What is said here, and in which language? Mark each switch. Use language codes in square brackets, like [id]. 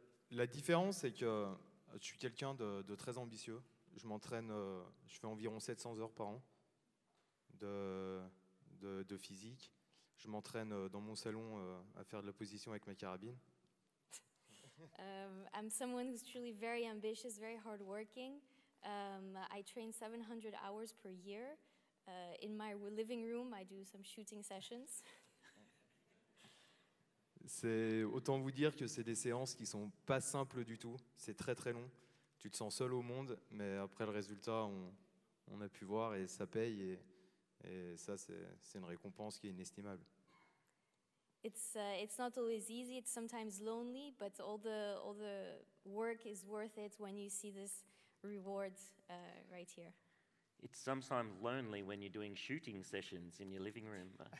[fr] La différence, c'est que je suis quelqu'un de très ambitieux. Je m'entraîne, je fais environ 700 heures par an de physique. Je m'entraîne dans mon salon à faire de la position avec ma carabine. [en] I'm someone who's truly very ambitious, very hardworking. I train 700 hours per year. In my living room, I do some shooting sessions. [fr] C'est autant vous dire que c'est des séances qui sont pas simples du tout. C'est très très long. Tu te sens seul au monde, mais après le résultat, on a pu voir et ça paye. Et ça, c'est une récompense qui est inestimable. [en] It's not always easy. It's sometimes lonely, but all the work is worth it when you see this reward right here. It's sometimes lonely when you're doing shooting sessions in your living room.